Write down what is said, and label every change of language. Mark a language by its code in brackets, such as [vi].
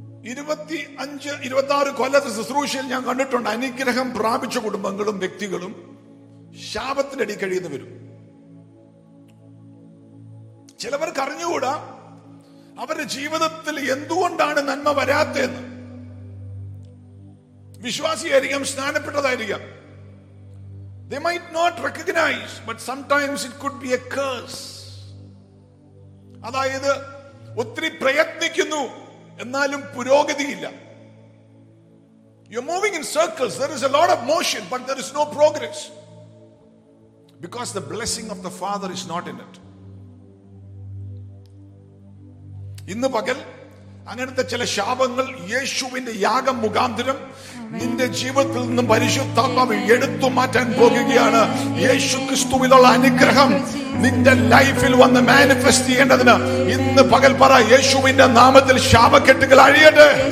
[ml] 25-26 കൊല്ലത്തെ ശുശ്രൂഷയിൽ ഞാൻ കണ്ടിട്ടുണ്ട് അനുഗ്രഹം പ്രാപിച്ച കുടുംബങ്ങളും വ്യക്തികളും ശാപത്തിന്റെ അടി കഴിയുന്ന വരും. ചിലവർക്ക് അറിഞ്ഞുകൂടാ അവരുടെ ജീവിതത്തിൽ എന്തുകൊണ്ടാണ് നന്മ വരാത്തതെന്ന്. വിശ്വാസിയായിരിക്കാം, സ്നാനപ്പെട്ടതായിരിക്കാം. [en] They might not recognize, but sometimes it could be a curse. [ml] അതായത് ഒത്തിരി പ്രയത്നിക്കുന്നു, എന്നാലും പുരോഗതിയില്ല. [en] You're moving in circles. There is a lot of motion, but there is no progress. Because the blessing of the Father is not in it. [ml] ഇന്നു പകൽ അങ്ങനത്തെ ചില ശാപങ്ങൾ യേശുവിന്റെ യാഗം മുഖാന്തരം നിന്റെ ജീവിതത്തിൽ നിന്നും പരിശുദ്ധാത്മാവ് എടുത്തു മാറ്റാൻ പോകുകയാണ്. യേശു ക്രിസ്തുവിലുള്ള അനുഗ്രഹം നിന്റെ ലൈഫിൽ വന്ന് മാനിഫെസ്റ്റ് ചെയ്യേണ്ടതിന് ഇന്ന് പകൽ പറ, യേശുവിന്റെ നാമത്തിൽ ശാപക്കെട്ടുകൾ അഴിയട്ടെ.